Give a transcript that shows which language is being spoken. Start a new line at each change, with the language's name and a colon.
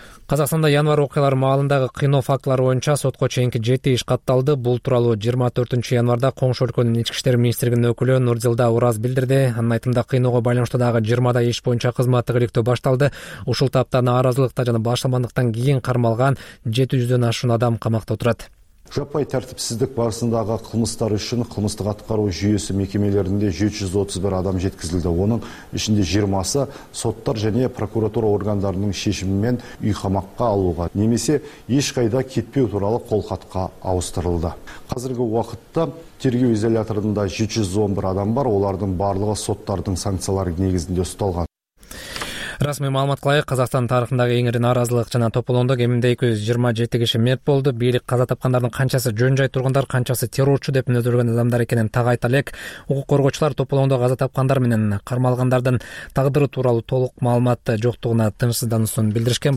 Kyrgyz: Казахстанда январ окуялары маалындагы кыйноо фактылары боюнча сотко чейинки 7 иш катталды. Бул тууралуу 24 январда коңшу өлкөнүн ички иштер министригинин өкүлү Нурзилда Ураз билдирди. Анын айтымында кыйноого байланыштуу дагы 20 иш боюнча кызматтык иликтөө башталды. Ушул тапта нааразылыкта жана башламандыктан кийин кармалган 700 ашуун адам камакта отурат.
Kazakh: Жапай тәртіпсіздік барысындағы қылмыстар үшін қылмыстық атқару жүйесі мекемелерінде 731 адам жеткізілді. Оның ішінде 20-сы соттар және прокуратура органдарының шешімімен үйқамаққа алуға, немесе ешқайда кетпеу туралы қолхатқа ауыстырылды. Қазіргі уақытта тергеу изоляторында 711 адам бар, олардың барлығы соттардың санкциялары негізінде ұсталған.
Kyrgyz: Расмий маалымат кылайык, Казакстан тарыхындагы эң ири нааразылык жана тополондук эмимде 227 киши мерт болду. Бийлик каза тапкандардын канчасы жөн жай тургундар, канчасы террорчу деп мүнөздөлгөн адамдар экенин тагы айта элек. Укук коргоочулар тополондо каза тапкандар менен кармалгандардын тагдыры тууралуу толук маалымат жоктугуна тынчсыздануусун билдиришкен.